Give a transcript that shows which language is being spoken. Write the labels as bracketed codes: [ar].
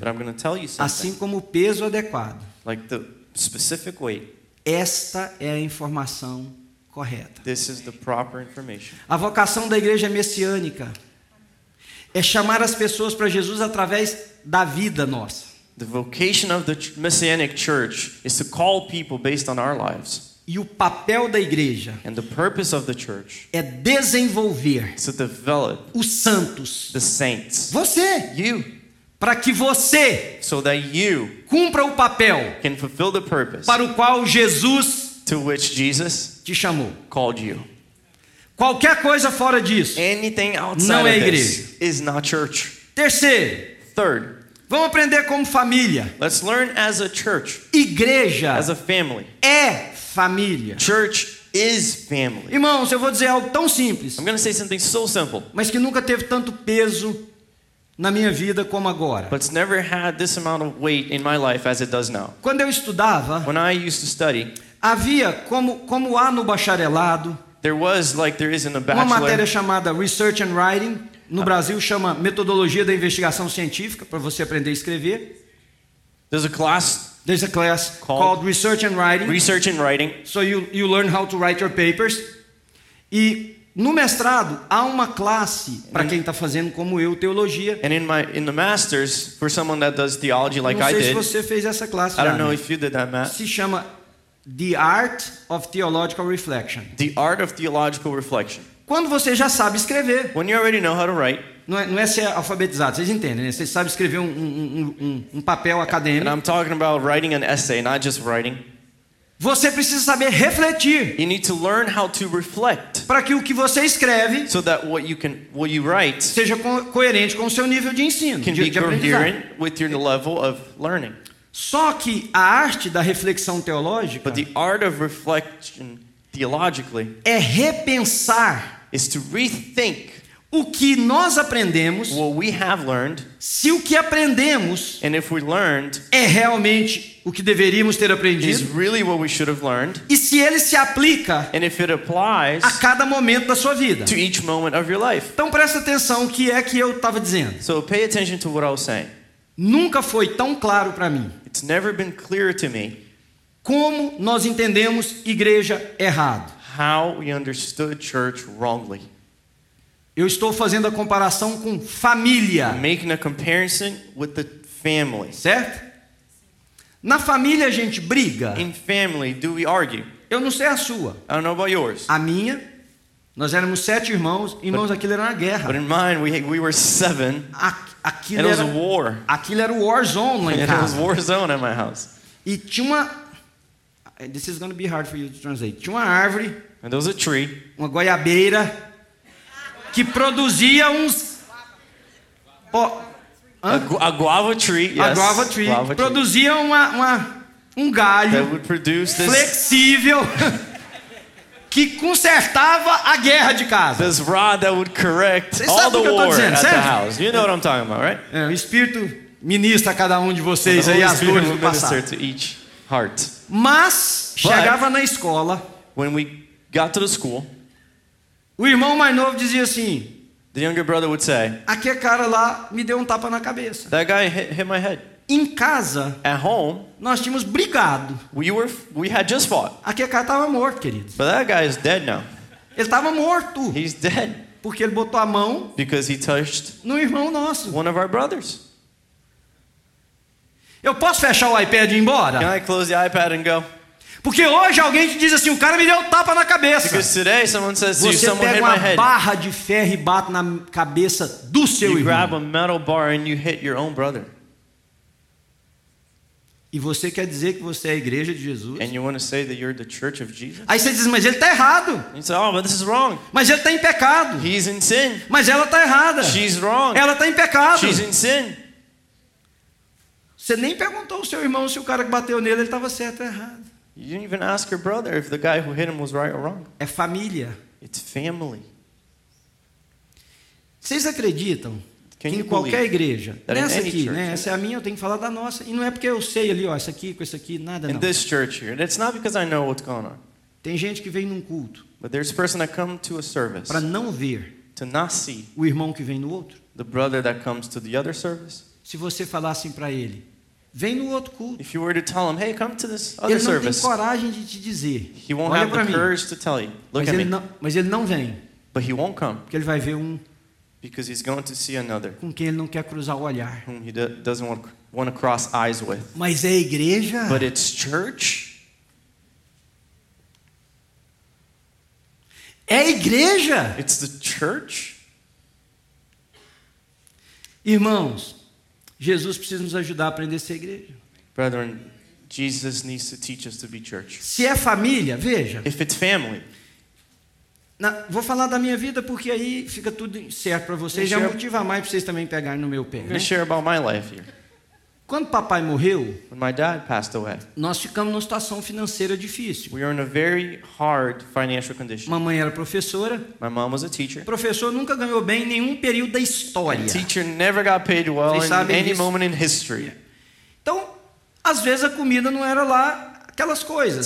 [en] But I'm going to tell you something. [pt] Assim como o peso adequado. [en] Like the specific weight. [pt] Esta é a informação correta. [en] This is the proper information. [pt] A vocação da igreja messiânica é chamar as pessoas para Jesus através da vida nossa. [en] The vocation of the Messianic Church is to call people based on our lives. [pt] E o papel da igreja, [en] and the purpose of the church, [pt] é desenvolver, [en] to develop, [pt] os santos, [en] the saints, [pt] você, [en] you, [pt] para que você, [en] so that you, [pt] cumpra o papel, [en] can fulfill the purpose, [pt] para o qual Jesus, [en] to which Jesus, [pt] te chamou, [en] called you. [pt] Qualquer coisa fora disso, [en] anything outside, [pt] não é [en] of [pt] igreja, [en] this is not church. [pt] Terceiro, [en] third. [pt] Vamos aprender como família. [en] Let's learn as a church. [pt] Igreja. [en] As a family. [pt] É família. [en] Church is family. [pt] Irmãos, eu vou dizer algo tão simples. [en] I'm going to say something so simple. [pt] Mas que nunca teve tanto peso na minha vida como agora. [en] But it's never had this amount of weight in my life as it does now. [pt] Quando eu estudava. [en] When I used to study. [pt] Havia como há no bacharelado. [en] There was like there is in a bachelor. [pt] Uma matéria chamada Research and Writing. No Brasil chama metodologia da investigação científica para você aprender a escrever. [en] There's a class called Research and Writing. Research and Writing. So you learn how to write your papers. [pt] E no mestrado há uma classe para quem está fazendo como eu teologia. [en] And in the masters for someone that does theology like I did. [pt] Não sei se você fez essa classe. [en] I don't know if you did that, Matt. [pt] Se chama The Art of Theological Reflection. [en] The Art of Theological Reflection. [pt] Quando você já sabe escrever. [en] When you already know how to write. [pt] Não é ser alfabetizado, vocês entendem, né? Você sabe escrever um papel acadêmico. [en] And I'm talking about writing an essay, not just writing. [pt] Você precisa saber refletir. [en] You need to learn how to reflect. [pt] Para que o que você escreve. [en] So that what you write. [pt] Seja coerente com o seu nível de ensino. [en] Can [pt] de [en] be coherent with your level of learning. [pt] Só que a arte da reflexão teológica. [en] But the art of reflection. Theologically, [pt] é repensar [en] is to rethink [pt] o que nós aprendemos, [en] what we have learned, [pt] se o que aprendemos [en] and if we learned, [pt] é realmente o que deveríamos ter aprendido [en] is really what we should have learned, [pt] e se ele se aplica [en] and if it applies [pt] a cada momento da sua vida. [en] To each moment of your life. [pt] Então presta atenção o que é que eu estava dizendo. [en] So pay attention to what I was saying. [pt] Nunca foi tão claro para mim. [en] It's never been clearer to me. [pt] Como nós entendemos igreja errado? [en] How we understood church wrongly. [pt] Eu estou fazendo a comparação com família. [en] Making a comparison with the family. [pt] Certo? Na família a gente briga. [en] In family, do we argue? [pt] Eu não sei a sua. [en] I don't know about yours. [pt] A minha, nós éramos sete irmãos. Irmãos, but, aquilo era na guerra. [en] But in mine, we were seven. [pt] Aquilo era, [en] it was a war. [pt] Aquilo era [en] war zone [pt] lá em casa. [en] It was war zone at my house. [pt] E tinha uma... [en] This is going to be hard for you to translate. [pt] Tinha uma árvore. [en] And there was a tree. [pt] Uma goiabeira. Que produzia uns... [en] A guava tree, yes. A guava tree. Guava [pt] produzia [en] tree. [pt] Um galho [en] that would produce this [pt] flexível que consertava a guerra de casa. [en] This rod that would correct all the war [pt] dizendo, [en] at [pt] certo? [en] The house. You know what I'm talking about, right? [pt] É, o Espírito ministra a cada de vocês aí as dores do passado. [en] To each heart. [pt] Mas, chegava na escola... [en] When we got to the school... [pt] O irmão mais novo dizia assim... [en] The younger brother would say... [pt] Aquele cara lá me deu tapa na cabeça. [en] That guy hit my head. [pt] Em casa... [en] At home... [pt] Nós tínhamos brigado. [en] We had just fought. [pt] Aquele cara tava morto, querido. [en] But that guy is dead now. [pt] Ele tava morto. [en] He's dead. [pt] Porque ele botou a mão... [en] Because he touched... [pt] No irmão nosso. [en] One of our brothers. [pt] Eu posso fechar o iPad e ir embora? [en] Can I close the iPad and go? [pt] Porque hoje alguém te diz assim, o cara me deu um tapa na cabeça. [en] Because today someone says to you, someone hit my head. [pt] Você pega uma barra de ferro e bate na cabeça do seu irmão. [en] You grab a metal bar and you hit your own brother. [pt] E você quer dizer que você é a igreja de Jesus? [en] And you want to say that you're the church of Jesus? [pt] Aí você diz, mas ele está errado. [en] You say, oh, but this is wrong. [pt] Mas ele está em pecado. [en] He's in sin. [pt] Mas ela está errada. [en] She's wrong. [pt] Ela está em pecado. [en] She's in sin. [pt] Você nem perguntou ao seu irmão se o cara que bateu nele estava certo ou errado. [en] You didn't even ask your brother if the guy who hit him was right or wrong. [pt] É família. [en] It's family. [pt] Vocês acreditam que em qualquer igreja, nessa aqui, né? Essa é a minha, eu tenho que falar da nossa. E não é porque eu sei ali, ó, essa aqui com essa aqui, nada não. [en] In this church here, it's not because I know what's going on. [pt] Tem gente que vem num culto. [en] But there's a person that comes to a service. [pt] Para não ver. [en] To not see. [pt] O irmão que vem no outro. [en] The brother that comes to the other service. [pt] Se você falasse para ele. Vem no outro culto. [en] If you were to tell him, hey, come to this other service. [pt] Ele não tem coragem de te dizer. [en] He won't [pt] olha [en] have the [pt] mim. [en] Courage to tell you. Look [pt] mas [en] at [pt] ele [en] me. [pt] Não, mas ele não vem. [en] But he won't come. [pt] Porque ele vai ver um. [en] Because he's going to see another. [pt] Com quem ele não quer cruzar o olhar. [en] Whom he doesn't want to cross eyes with. [pt] Mas é a igreja. [en] But it's church. [pt] É a igreja. [en] It's the church. [pt] Irmãos. Jesus precisa nos ajudar a aprender a ser igreja. [en] Brethren, Jesus needs to teach us to be church. [pt] Se é família, veja. [en] If it's family. [pt] Na, vou falar da minha vida porque aí fica tudo certo para vocês. Já motiva mais para vocês também pegarem no meu pé. [en] Let me share about my life here. [pt] Quando papai morreu, [en] when my dad passed away, [pt] nós ficamos numa situação financeira difícil. [en] We were in a very hard financial condition. [pt] Mamãe era professora. [en] My mom was a teacher. [pt] O professor nunca ganhou bem em nenhum período da história. [en] The teacher never got paid well in any moment in history. [pt] Então, às vezes a comida não era lá aquelas coisas.